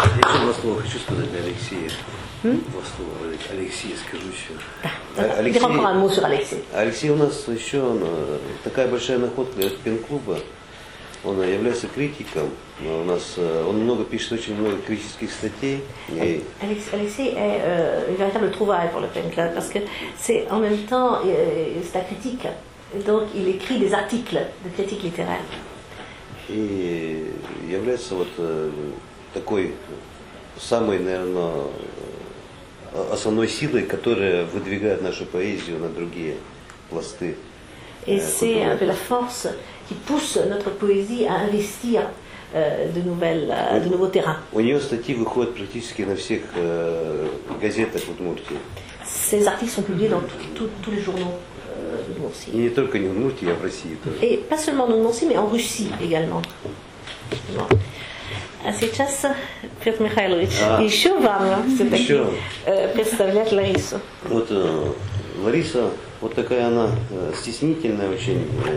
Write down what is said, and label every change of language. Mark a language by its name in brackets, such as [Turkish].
[Russian] Еще два слова хочу сказать для Алексея. Два слова Алексея, скажу еще. Алексей у нас еще такая большая находка от пен-клуба. Он является критиком. У нас он много пишет, очень много критических статей. [French] Алексей est véritable trouvaille pour le pen club, parce que c'est en même temps c'est un critique. Donc il écrit des articles de critique littéraire. [Russian] И является вот такой самой, наверное, основной силой, которая выдвигает нашу поэзию на другие пласты. [French] Et c'est un peu la force qui pousse notre poésie à investir de nouveaux terrains. [Russian] У нее статьи выходят практически на всех газетах Удмуртии. [French] Ses articles sont publiés dans tous les journaux de Murcie. [Russian] Et не только в Удмуртии, а в России тоже. [French] Et pas seulement en Удмуртии, mais en Russie également. Bon. [Russian] А сейчас, Петр Михайлович, еще вам все-таки представлять Ларису. Вот Лариса, вот такая она, стеснительная очень.